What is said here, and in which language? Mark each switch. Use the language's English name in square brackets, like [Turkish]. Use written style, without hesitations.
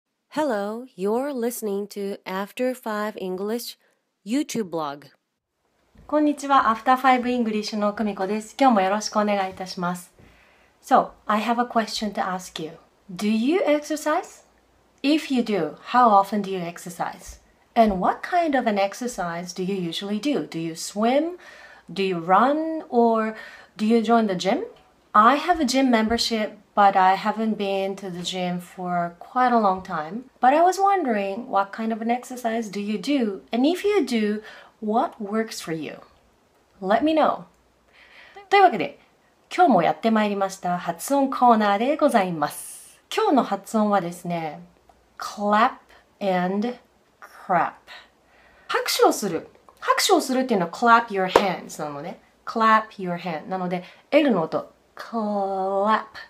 [English] Hello, you're listening to After 5 English YouTube blog. [Japanese] こんにちは、After 5 English の久美子です。今日もよろしくお願いいたします。 [English] So, I have a question to ask you. Do you exercise? If you do, how often do you exercise? And what kind of an exercise do you usually do? Do you swim? Do you run? Or do you join the gym? I have a gym membership. But I haven't been to the gym for quite a long time. But I was wondering, what kind of an exercise do you do? And if you do, what works for you? Let me know. [Japanese] というわけで、今日もやってまいりました発音コーナーでございます。今日の発音はですね、 [English] clap and crap。 [Japanese] 拍手をする。拍手をするっていうのは [English] clap your hands [Japanese] なので、 [English] clap your hand [Japanese] なので、L の音、clap。